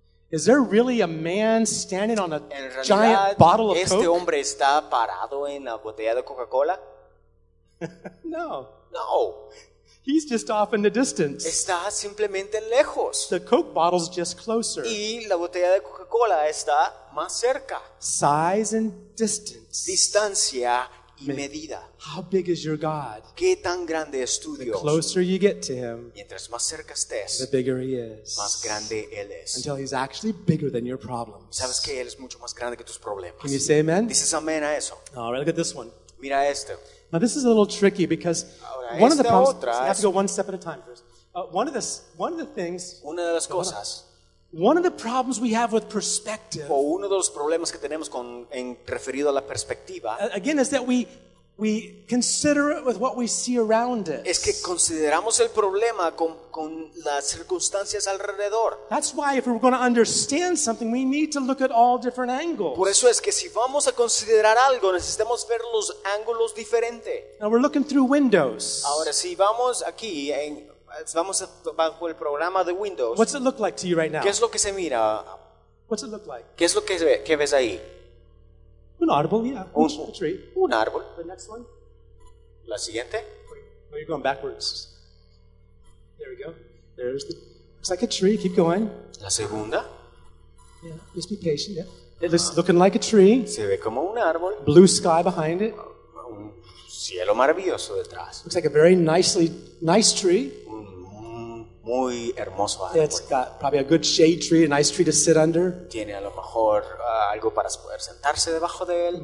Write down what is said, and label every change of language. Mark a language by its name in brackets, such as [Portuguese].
[English] Is there really a man standing on a giant bottle of Coke? [Spanish] ¿Este hombre está parado en la botella de Coca-Cola? [English] No. [Spanish] No. [English] He's just off in the distance. [Spanish] Está simplemente lejos. [English] The Coke bottle's just closer. [Spanish] Y la botella de Coca-Cola está más cerca. [English] Size and distance. [Spanish] Distancia y medida. [English] How big is your God? [Spanish] ¿Qué tan grande es tu Dios? [English] The closer you get to him, [Spanish] mientras más cerca estés, [English] the bigger he is. [Spanish] Más grande él es. [English] Until he's actually bigger than your problems. [Spanish] ¿Sabes que él es mucho más grande que tus problemas? [English] Can you say amen? [Spanish] Dices amén a eso. [English] All right, look at this one. [Spanish] Mira esto. [English] Now this is a little tricky because [Spanish] ahora, [English] one of the problems, [Spanish] otra, [English] so you have to go one step at a time first. One of the things. [Spanish] Una de las cosas. [English] One of the problems we have with perspective. [Spanish] O uno de los problemas que tenemos con en referido a la perspectiva. [English] Again, is that we consider it with what we see around us. [Spanish] Es que consideramos el problema con las circunstancias alrededor. [English] That's why if we're going to understand something, we need to look at all different angles. [Spanish] Por eso es que si vamos a considerar algo, necesitamos ver los ángulos diferente. [English] Now we're looking through windows. [Spanish] Ahora si vamos aquí en vamos bajo el programa de Windows. [English] What's it look like to you right now? [Spanish] ¿Qué es lo que se mira? [English] What's it look like? [Spanish] ¿Qué es lo que ves ahí? Un árbol, yeah. Un [English] tree. [Spanish] Un árbol. [English] The next one. [Spanish] La siguiente. [English] Oh, you're going backwards. There we go. There's the. It's like a tree. Keep going. [Spanish] La segunda. [English] Yeah. Just be patient. Yeah. It looks looking like a tree. [Spanish] Se ve como un árbol. [English] Blue sky behind it. [Spanish] Un cielo maravilloso detrás. [English] Looks like a very nice tree. [Spanish] Muy hermoso árbol. [English] It's got probably a good shade tree, a nice tree to sit under. [Spanish] Tiene a lo mejor algo para poder sentarse debajo de él.